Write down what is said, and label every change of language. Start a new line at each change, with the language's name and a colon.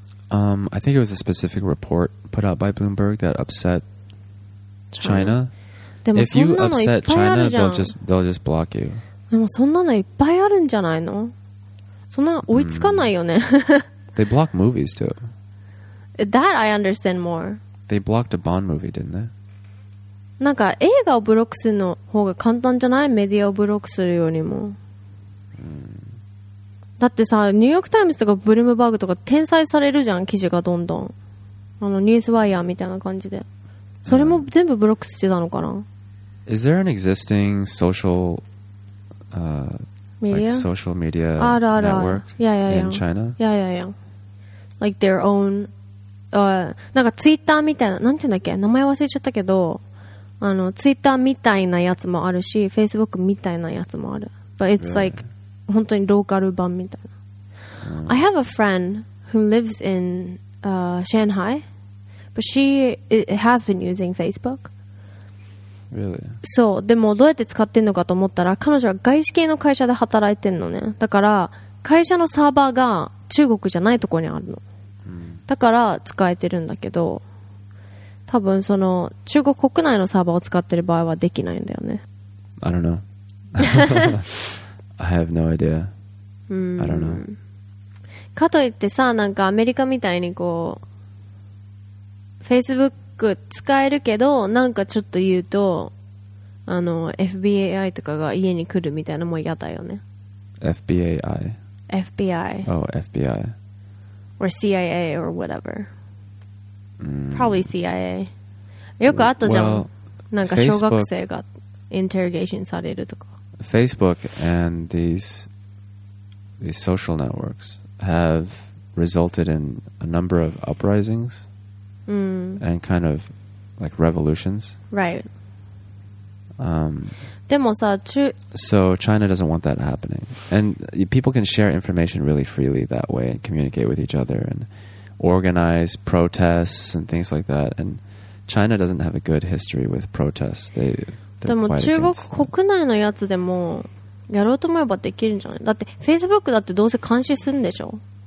English: I think it was a specific report put out by Bloomberg that upset China. China. If you upset China, they'll just block you.
Japanese: でもそんなのいっぱいあるんじゃないの？そんな追いつかないよね。
English: They block movies too. That I understand more. They blocked a Bond movie, didn't they?
Japanese: なんか映画をブロックするの方が簡単じゃない？メディアをブロックするよりも。だってさ、ニューヨークタイムズとかブルームバーグとか転載されるじゃん、記事がどんどん。あの、ニュースワイヤーみたいな感じで。それも全部ブロックしてたのかな。
English: Is there an existing social, media? Like social media
Japanese: あるあるある
English: network yeah, yeah, yeah. in China? Yeah, yeah, yeah. Like their own,
Japanese: なんかツイッターみたいな、なんていうんだっけ、名前忘れちゃったけど、あの、ツイッターみたいなやつもあるし、Facebook みたいなやつもある。
English: But it's like,
Japanese: 本当にローカル版みたいな。
English: I have a friend who lives in Shanghai, but she has been using Facebook. Really?
Japanese: そう、でもどうやって使ってんのかと思ったら、彼女は外資系の会社で働いてんのね。だから会社のサーバーが中国じゃないところにあるの。だから使えてるんだけど、多分その中国国内のサーバーを使ってる場合はできないんだよね。
English: I don't know. I have no idea. I don't know.
Japanese: かといってさ、なんかアメリカみたいにこう、Facebook 使えるけど、なんかちょっと言うと、あの、FBI とかが家に来るみたいなのも嫌だよね。
English: FBI? FBI. Oh, FBI. Or CIA or whatever. Probably CIA.
Japanese: よくあったじゃん。
English: Well,
Japanese: なんか小学生がインテロゲーションされるとか。
English: Facebook and these social networks have resulted in a number of uprisings and kind of like revolutions. Right.
Japanese: でもさ、
English: So China doesn't want that happening. And people can share information really freely that way and communicate with each other and organize protests and things like that. And China doesn't have a good history with protests.
Japanese: でも中国国内のやつでもやろうと思えばできるんじゃない？だって Facebook だってどうせ監視するんでしょ？